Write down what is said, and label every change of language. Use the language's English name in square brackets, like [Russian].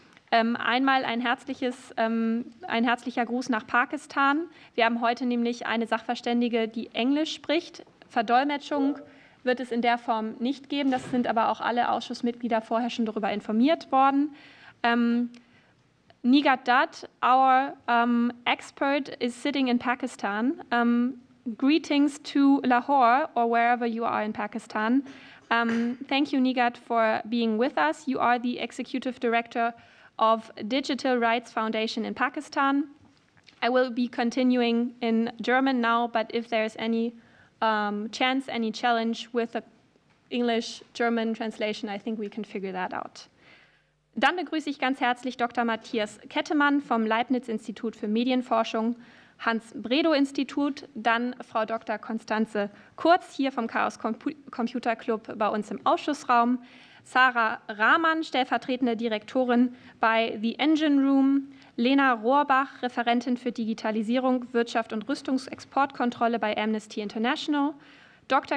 [German] Einmal ein herzlicher Gruß nach Pakistan. Wir haben heute nämlich eine Sachverständige, die Englisch spricht. Verdolmetschung wird es in der Form nicht geben. Das sind aber auch alle Ausschussmitglieder vorher schon darüber informiert worden. [English] Nigat Dutt, our expert, is sitting in Pakistan. Greetings to Lahore or wherever you are in Pakistan. Thank you, Nigat, for being with us. You are the executive director of Digital Rights Foundation in Pakistan. I will be continuing in German now, but if there's any chance, any challenge with the English-German translation, I think we can figure that out. [German] Dann begrüße ich ganz herzlich Dr. Matthias Kettemann vom Leibniz-Institut für Medienforschung, Hans-Bredow-Institut, dann Frau Dr. Konstanze Kurz hier vom Chaos Computer Club bei uns im Ausschussraum, Sarah Rahmann, stellvertretende Direktorin bei The Engine Room, Lena Rohrbach, Referentin für Digitalisierung, Wirtschaft und Rüstungsexportkontrolle bei Amnesty International, Dr.